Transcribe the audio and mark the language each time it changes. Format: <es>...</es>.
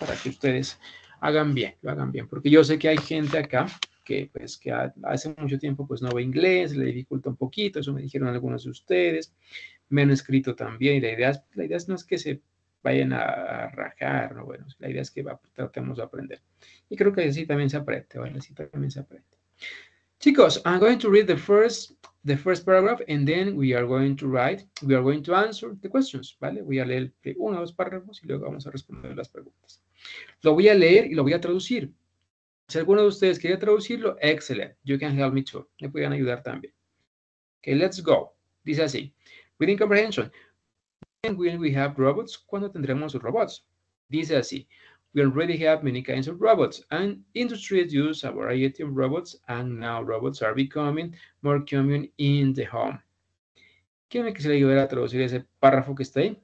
<es>Para que ustedes hagan bien, lo hagan bien. Porque yo sé que hay gente acá que pues que hace mucho tiempo pues no ve inglés, le dificulta un poquito, eso me dijeron algunos de ustedes, me han escrito también, y la idea es no es que se vayan a rajar, no, bueno, la idea es que tratemos de aprender. Y creo que así también se aprende, ¿vale? Así también se aprende.</es> <en>Chicos, I'm going to read the first paragraph, and then we are going to answer the questions, ¿vale?</en> <es>Voy a leer uno o dos párrafos y luego vamos a responder las preguntas. Lo voy a leer y lo voy a traducir. Si alguno de ustedes quiere traducirlo,</es> <en>excellent. You can help me too.</en> <es>Me pueden ayudar también.</es> <en>Okay, let's go.</en> <es>Dice así.</es> <en>Reading comprehension. When will we have robots?</en> <es>¿Cuándo tendremos robots? Dice así.</es> <en>We already have many kinds of robots. And industries use a variety of robots. And now robots are becoming more common in the home.</en> <es>¿Quién me quisiera ayudar a traducir ese párrafo que está ahí?</es>